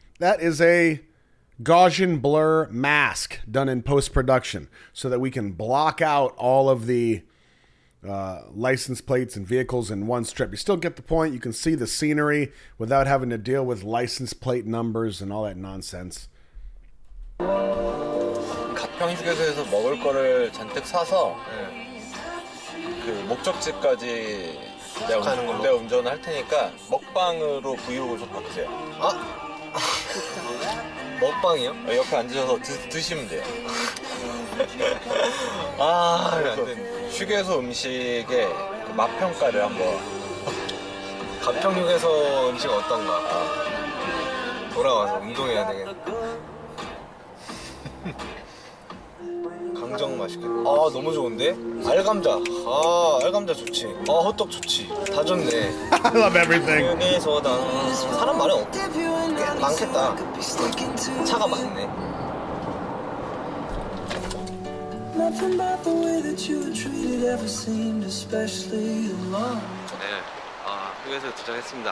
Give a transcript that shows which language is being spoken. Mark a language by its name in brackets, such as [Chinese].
[English] That is a Gaussian blur mask done in post-production so that we can block out all of the license plates and vehicles in one strip. You still get the point. You can see the scenery without having to deal with license plate numbers and all that nonsense. [Korean] 가평휴게소에서 먹을 거를 잔뜩 사서 그 목적지까지 가는 건데 운전을 할 테니까 먹방으로 브이로그 좀 봐주세요. 아 먹방이요? 옆에 앉으셔서 드시면 돼요. 아, 휴게소 음식의 맛 평가를 한번. 가평 휴게소 음식 어떤가? 아, 돌아와서 운동해야 되겠다. 강정 맛있겠다. 아, 너무 좋은데? 알감자. 아, 알감자 좋지. 아, 호떡 좋지. 다 좋네. [English] I love everything. [Korean] 휴게소다. 사람 많이 없겠다. 많겠다. 차가 많네. [English] Nothing about the way that you were treated ever seemed especially alone. [Korean] 네, 아, 휴게소 도착했습니다.